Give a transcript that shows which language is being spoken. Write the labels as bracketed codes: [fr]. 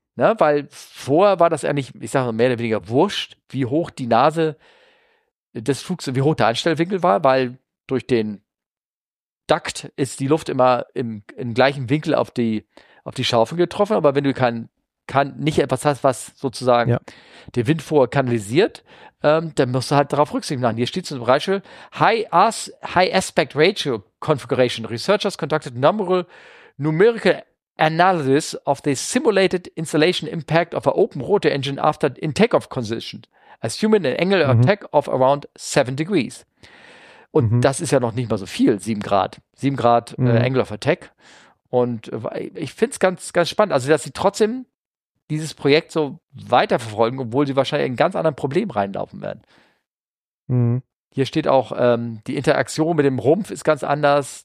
[de] Na, weil vorher war das eigentlich, ich sage mal, mehr oder weniger wurscht, wie hoch die Nase des Flugs, wie hoch der Anstellwinkel war, weil durch den Duct ist die Luft immer im gleichen Winkel auf die Schaufel getroffen, aber wenn du nicht etwas hast, was sozusagen den Wind vorher kanalisiert, dann musst du halt darauf Rücksicht nehmen. Hier steht zum Beispiel High Aspect Ratio Configuration. [en] Researchers conducted numerical analysis of the simulated installation impact of an open rotor engine after in takeoff condition, assuming an angle of attack of around 7 degrees. [de] Und das ist ja noch nicht mal so viel, 7 Grad. 7 Grad Angle of Attack. Und ich finde es ganz, ganz spannend. Also, dass sie trotzdem dieses Projekt so weiterverfolgen, obwohl sie wahrscheinlich in ein ganz anderes Problem reinlaufen werden. Hier steht auch, die Interaktion mit dem Rumpf ist ganz anders.